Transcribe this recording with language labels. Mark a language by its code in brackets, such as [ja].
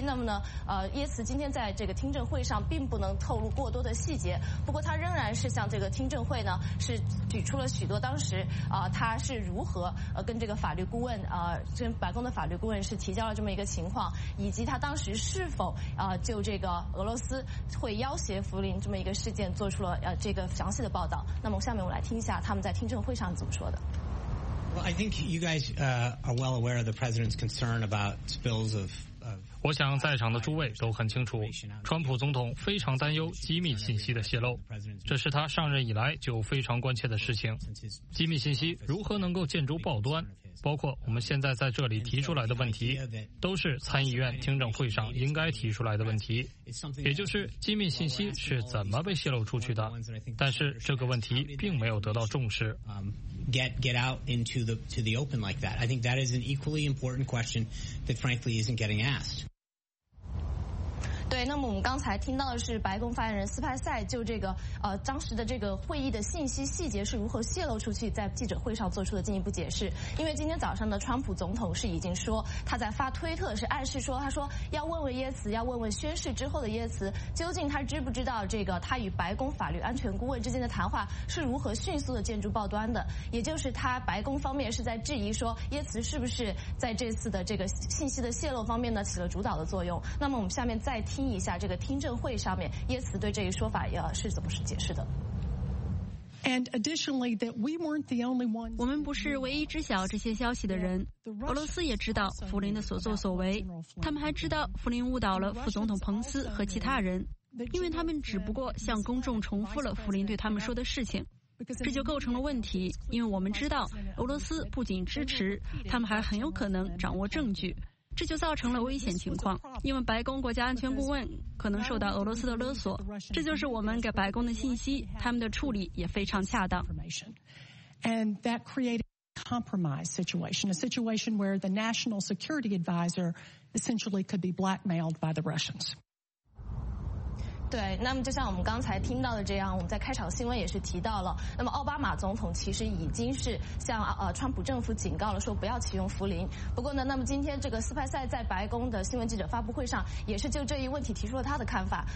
[zh] 那么呢耶茨今天在这个听证会上并不能透露过多的细节，不过他仍然是向这个听证会呢是举出了许多当时他是如何跟这个法律顾问跟白宫的法律顾问是提交了这么一个情况，以及他当时是否就这个俄罗斯会要挟弗林这么一个事件做出了这个详细的报道。那么下面我来听一下他们在听证会上怎么说的。 [en] Well, I think you guys are well aware of the president's concern about spills of... [zh] 我想在场的诸位都很清楚，川普总统非常担忧机密信息的泄露，这是他上任以来就非常关切的事情。机密信息如何能够见诸报端，包括我们现在在这里提出来的问题，都是参议院听证会上应该提出来的问题，也就是机密信息是怎么被泄露出去的，但是这个问题并没有得到重视。 [en] Get out into the open like that. I think that is an equally important question that frankly isn't getting asked. [zh] 对，那么我们刚才听到的是白宫发言人斯派塞就这个当时的这个会议的信息细节是如何泄露出去，在记者会上做出的进一步解释。因为今天早上的川普总统是已经说他在发推特是暗示说，他说要问问耶茨，要问问宣誓之后的耶茨，究竟他知不知道这个他与白宫法律安全顾问之间的谈话是如何迅速的建筑报端的，也就是他白宫方面是在质疑说耶茨是不是在这次的这个信息的泄露方面呢起了主导的作用。那么我们下面再听一下这个听证会上面耶茨对这一说法是怎么解释的。 [en] And additionally, that we weren't the only ones. [zh] 我们不是唯一知晓这些消息的人。俄罗斯也知道弗林的所作所为，他们还知道弗林误导了副总统彭斯和其他人，因为他们只不过向公众重复了弗林对他们说的事情。这就构成了问题，因为我们知道俄罗斯不仅支持，他们还很有可能掌握证据。这就造成了危险情况，因为白宫国家安全顾问可能受到俄罗斯的勒索。这就是我们给白宫的信息，他们的处理也非常恰当。 [en] And that created a compromise situation, a situation where the National Security Advisor essentially could be blackmailed by the Russians. [zh] 对，那么就像我们刚才听到的这样，我们在开场新闻也是提到了，那么奥巴马总统其实已经是向川普政府警告了，说不要启用弗林。不过呢，那么今天这个斯派塞在白宫的新闻记者发布会上也是就这一问题提出了他的看法。